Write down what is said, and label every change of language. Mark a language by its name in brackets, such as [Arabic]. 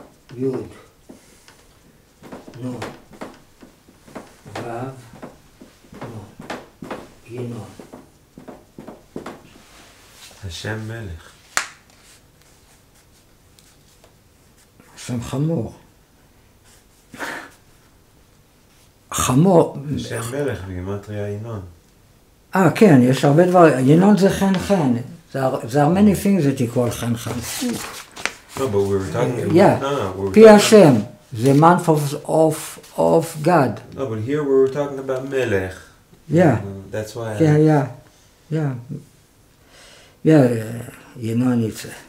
[Hebrew] Yud, Nun, Vav, Nun, Yinon. Hashem Melech. Hashem Chamor. Chamor. Hashem Melech, בגימטריה Yinon. Ah, כן, יש הרבה דבר. Yinon זה חן חן. [English] There are many things that you call חן חן. No, but we were talking about... Yeah, Pi Hashem, the month of God. No, but here we were talking about Melech. Yeah. That's why I... Yeah. You know, it's...